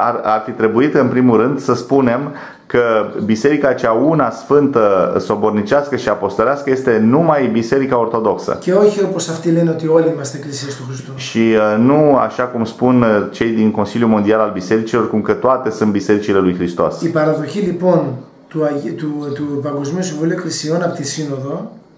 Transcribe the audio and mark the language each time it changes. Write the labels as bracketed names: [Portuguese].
[Romanian] Ar fi trebuit, în primul rând, să spunem că biserica cea una sfântă, sobornicească și apostolească este numai biserica ortodoxă. [Greek] Και όχι όπως αυτοί λένε ότι όλοι είμαστε εκκλησίες του Χριστού. [Romanian] Și nu așa cum spun cei din Consiliul Mondial al Bisericilor, cum că toate sunt bisericile lui Hristos. [Greek] Η παραδοχή λοιπόν του Παγκοσμίου Συμβουλίου Εκκλησιών από τη Σύνοδο.